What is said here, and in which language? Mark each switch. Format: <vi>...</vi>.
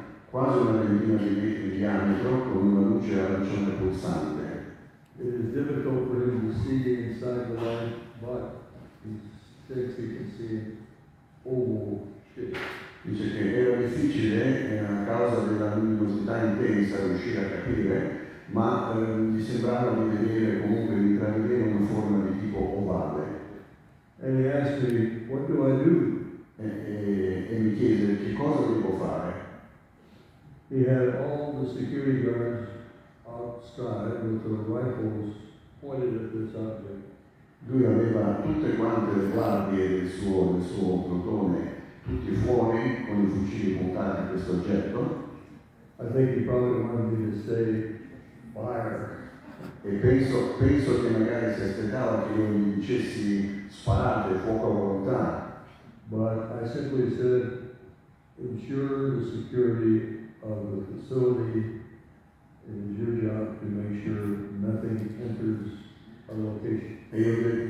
<it>Quasi una ventina di metri di diametro, con una luce arancione pulsante.</it> <en>It is difficult for him to see inside the light, but thinks he can see oval shape.</en> <it>Dice che era difficile, a causa della luminosità intensa, riuscire a capire, ma gli sembrava di vedere comunque, di intravedere una forma di tipo ovale.</it> <en>And he asked me, what do I do?</en> <it>E mi chiese che cosa devo fare.</it> <en>He had all the security guards outside with their rifles pointed at this object.</en> <it>Lui aveva tutte quante le guardie del suo plotone, tutti fuori con i fucili puntati a questo oggetto.</it> <en>I think he probably wanted me to say fire.</en> <it>E penso che magari si aspettava che io gli dicessi sparate, fuoco a volontà.</it> <en>But I simply said, ensure the security of the facility. It is your job to make sure nothing enters a location.</en>